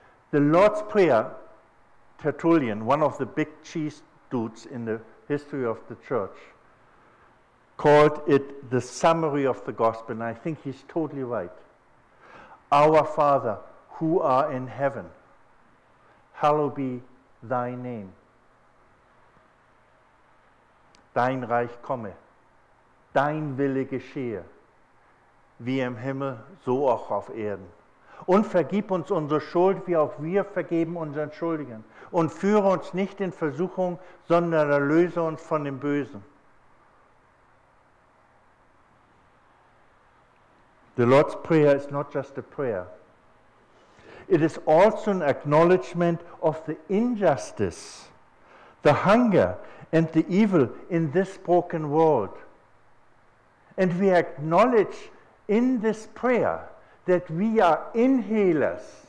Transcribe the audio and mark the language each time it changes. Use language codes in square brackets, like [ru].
[en] The Lord's Prayer, Tertullian, one of the big cheese dudes in the history of the church, called it the summary of the gospel, and I think he's totally right. Our Father, who art in heaven, hallowed be thy name. [de] Dein Reich komme, dein Wille geschehe, wie im Himmel, so auch auf Erden. Und vergib uns unsere Schuld, wie auch wir vergeben unseren Schuldigen. Und führe uns nicht in Versuchung, sondern erlöse uns von dem Bösen. [en] The Lord's Prayer is not just a prayer. It is also an acknowledgement of the injustice, the hunger, and the evil in this broken world. And we acknowledge in this prayer that we are inhalers.